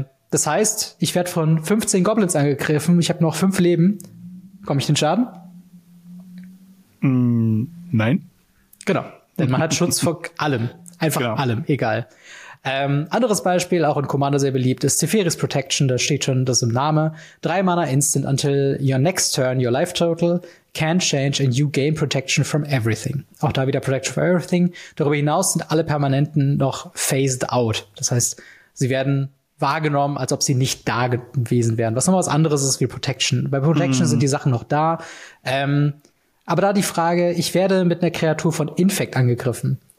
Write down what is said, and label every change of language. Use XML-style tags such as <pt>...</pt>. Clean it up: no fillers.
<de>Das heißt, ich werde von 15 Goblins angegriffen, ich habe noch 5 Leben. Komme ich den Schaden? Nein. Genau, denn man hat Schutz vor allem. Einfach allem, egal. Anderes Beispiel, auch in Commander sehr beliebt, ist Teferi's Protection, da steht schon das im Name.</de> <en>3 Mana instant until your next turn, your life total can change and you gain protection from everything.</en> <de>Auch da wieder</de> <en>Protection from everything.</en> <de>Darüber hinaus sind alle Permanenten noch phased out. Das heißt, sie werden wahrgenommen, als ob sie nicht da gewesen wären. Was noch was anderes ist wie Protection. Bei Protection sind die Sachen noch da. Aber da die Frage, ich werde mit einer Kreatur von Infect angegriffen.</de>